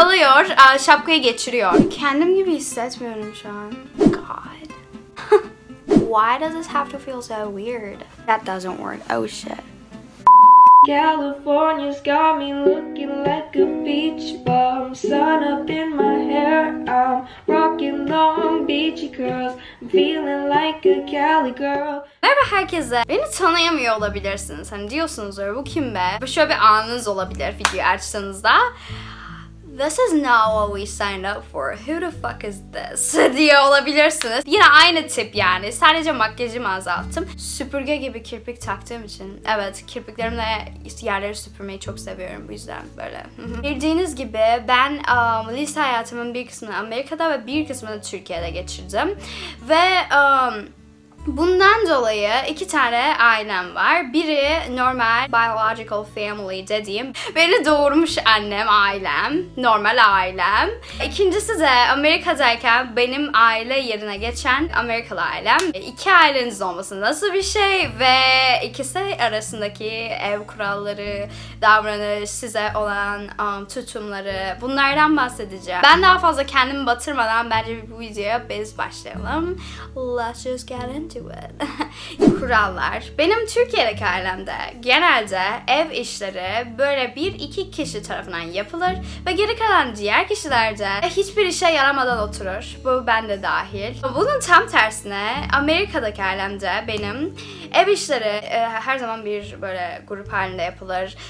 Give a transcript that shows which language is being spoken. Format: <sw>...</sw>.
<tr>Alıyor, şapkaya geçiriyor. Kendim gibi hissetmiyorum şu an.</tr> <en>God. Why does this have to feel so weird? That doesn't work. Oh shit. California's got me looking like a beach bum. Sun up in my hair, I'm rocking long beachy curls. I'm feeling like a Cali girl.</en> <tr>Merhaba herkese. Beni tanıyamıyor olabilirsiniz. Hani diyorsunuzdur bu kim be? Bu şöyle bir anınız olabilir video açtığınızda.</tr> <en>This is not what we signed up for. Who the fuck is this?</en> <tr>diye olabilirsiniz. Yine aynı tip yani. Sadece makyajımı azalttım. Süpürge gibi kirpik taktığım için. Evet, kirpiklerimle yerleri süpürmeyi çok seviyorum. Bu yüzden böyle. Bildiğiniz gibi ben lise hayatımın bir kısmını Amerika'da ve bir kısmını Türkiye'de geçirdim. Ve bundan dolayı iki tane ailem var. Biri normal</tr> <en>biological family</en> <tr>dediğim, beni doğurmuş annem, ailem, normal ailem. İkincisi de Amerika'dayken benim aile yerine geçen Amerikalı ailem. İki aileniz olması nasıl bir şey ve ikisi arasındaki ev kuralları, davranış, size olan tutumları, bunlardan bahsedeceğim. Ben daha fazla kendimi batırmadan bence bu videoya biz başlayalım.</tr> <en>Let's just get into</en> <tr>kurallar. Benim Türkiye'deki ailemde genelde ev işleri böyle bir iki kişi tarafından yapılır ve geri kalan diğer kişiler de hiçbir işe yaramadan oturur. Bu bende dahil. Bunun tam tersine Amerika'daki ailemde benim ev işleri her zaman bir böyle grup halinde yapılır.</tr>